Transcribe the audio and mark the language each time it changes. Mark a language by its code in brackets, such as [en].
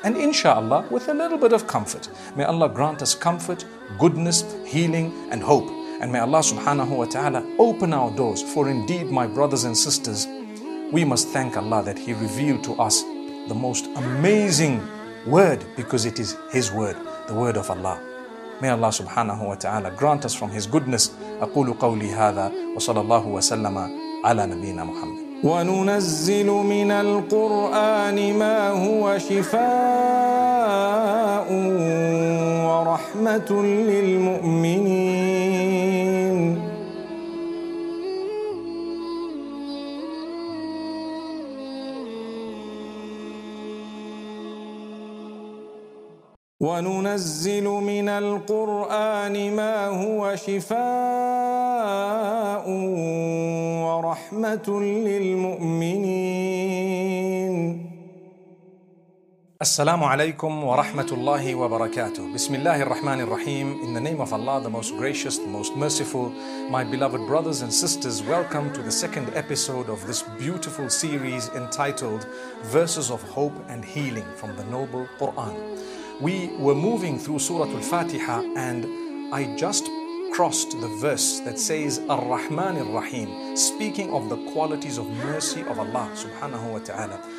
[en] And inshallah, with a little bit of comfort. May Allah grant us comfort, goodness, healing and hope. And may Allah subhanahu wa ta'ala open our doors. For indeed, my brothers and sisters, we must thank Allah that He revealed to us the most amazing word, because it is His word, the word of Allah. May Allah subhanahu wa ta'ala grant us from His goodness. [ar] أقول قولي هذا وصلى الله وسلم على نبينا محمد. وننزل من القرآن ما هو شفاء ورحمة للمؤمنين وننزل من القرآن ما هو شفاء ورحمة للمؤمنين. السلام عليكم ورحمة الله وبركاته. بسم الله الرحمن الرحيم. [en] In the name of Allah, the most gracious, the most merciful. My beloved brothers and sisters, welcome to the second episode of this beautiful series entitled Verses of Hope and Healing from the Noble Quran. We were moving through Surah Al-Fatiha and I just crossed the verse that says Ar-Rahman Ar-Rahim, speaking of the qualities of mercy of Allah subhanahu wa ta'ala.